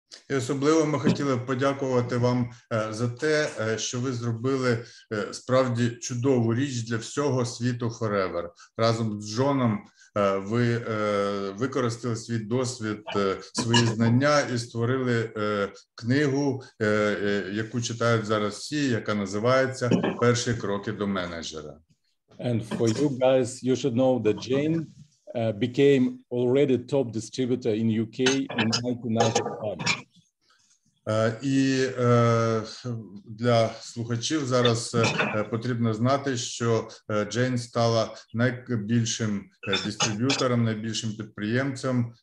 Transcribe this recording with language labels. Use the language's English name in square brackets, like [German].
[Ukrainian] І особливо ми хотіли подякувати вам за те, що ви зробили справді чудову річ для всього світу Forever. Разом з Джоном ви використали свій досвід, свої знання і створили книгу, яку читають зараз всі, яка називається «Перші кроки до менеджера». [English] And for you guys, you should know that Jane became already top distributor in UK in 1995. [Ukrainian] Для слухачів зараз потрібно знати, що Джейн стала найбільшим дистриб'ютором, найбільшим підприємцем.